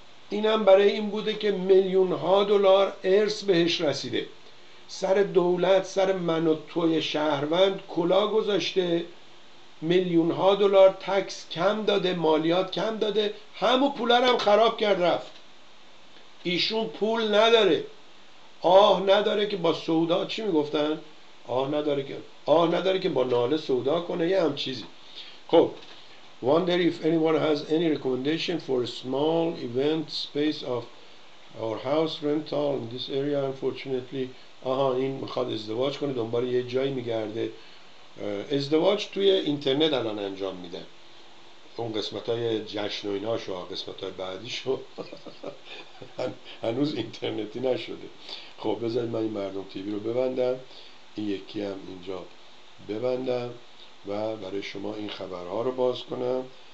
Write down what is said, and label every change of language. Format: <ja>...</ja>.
<fa>اینم برای این بوده که میلیون ها دلار ارث بهش رسیده، سر دولت، سر من و توی شهروند کلا گذاشته، میلیون ها دلار تکس کم داده، مالیات کم داده، همو پولارم خراب کرد رفت. ایشون پول نداره، آه نداره که با سودا، چی میگفتن؟ آه نداره که با ناله سودا کنه، یه هم چیزی. خب،</fa> <en>wonder if anyone has any recommendation for a small event space of our house rental in this area. Unfortunately,</en> <fa>آها، این میخواد ازدواج کنه، دنبال یه جایی میگرده. ازدواج توی اینترنت الان انجام میده، اون قسمت های جشن و اینا شو، قسمت های بعدی شو هنوز اینترنتی نشده. خب بذارید من این مردم تیوی رو ببندم، این یکی هم اینجا ببندم و برای شما این خبرها رو باز کنم.</fa>